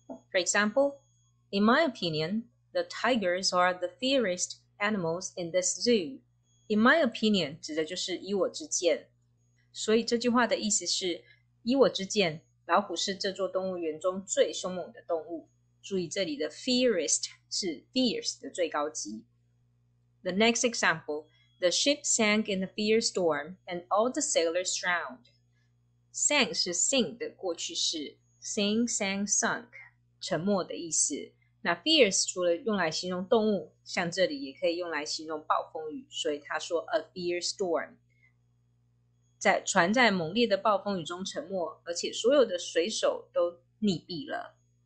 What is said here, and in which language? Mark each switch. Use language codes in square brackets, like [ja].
[en] For example, in my opinion, the tigers are the fiercest animals in this zoo. In my opinion, [zh] 指的就是以我之见。所以这句话的意思是，以我之见，老虎是这座动物园中最凶猛的动物。注意这里的 fiercest 是 fierce 的最高级。 [en] The next example. The ship sank in a fierce storm, and all the sailors drowned. [zh] sank 是 sink 的过去式 sink, sank, sunk 沉没的意思。那 fierce 除了用来形容动物，像这里也可以用来形容暴风雨，所以他说 [en] a fierce storm， [zh] 在船在猛烈的暴风雨中沉没，而且所有的水手都溺毙了。